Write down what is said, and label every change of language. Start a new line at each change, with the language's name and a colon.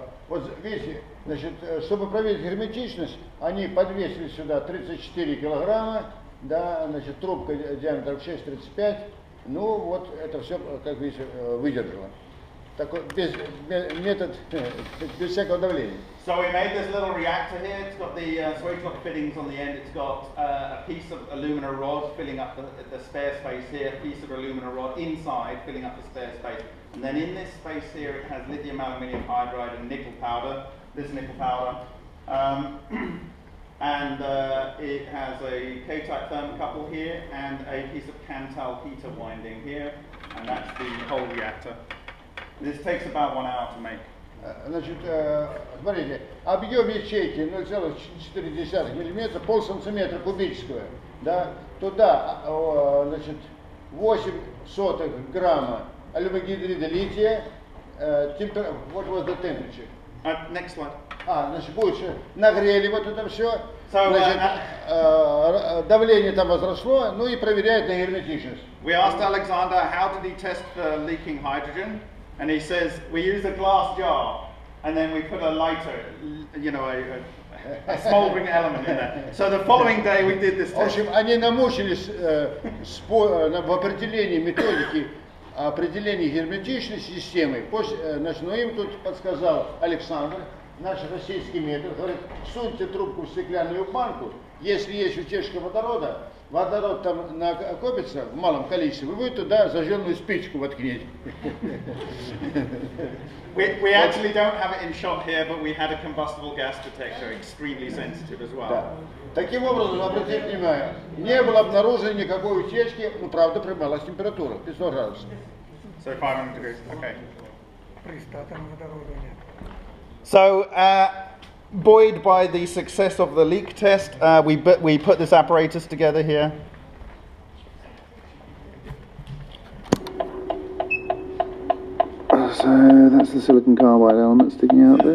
Russian: Вот видите, значит, чтобы проверить герметичность, они подвесили сюда 34 килограмма, да, значит, трубка диаметром 6,35. Ну вот это все, как видите, выдержало. Такой без метод без всякого давления.
English: So we made this little reactor here. It's got the swage lock fittings on the end. It's got a piece of alumina rod filling up the spare space here. A piece of alumina rod inside filling up the spare space. And then in this space here, it has lithium aluminium hydride and nickel powder. This nickel powder. And it has a K-type thermocouple here and a piece of Cantal heater winding here, and that's the whole reactor. This takes about 1 hour to make.
Russian: Значит, смотрите, объем ячейки 0,4 миллиметра, пол сантиметра кубического, да, туда, значит, 0,08 грамма алюмогидрида лития,
English: what was the temperature? Next one.
Russian: Значит, больше нагрели вот это все.
English: So,
Russian: значит, давление там возросло, ну и проверяет на герметичность.
English: We asked Alexander how did he test the leaking hydrogen, and he says we use a glass jar, and then we put a lighter, you know, a smoldering element in there. So the following day we did this test.
Russian: В общем, они намучились в определении методики. Определение герметичной системы, значит, ну им тут подсказал Александр, наш российский метод, говорит, суньте трубку в стеклянную банку, если есть утечка водорода, водород там накопится в малом количестве, вы туда зажженную спичку воткнете.
English: We actually don't have it in shop here, but we had a combustible gas detector, extremely sensitive as well.
Russian: Таким образом, обратите внимание, не было обнаружено никакой утечки, но правда прибавилась температура, 500 градусов.
English: So 500 degrees, okay.
Russian: Пристатом водорода нет.
English: So, buoyed by the success of the leak test, we put this apparatus together here. So that's the silicon carbide element sticking out there.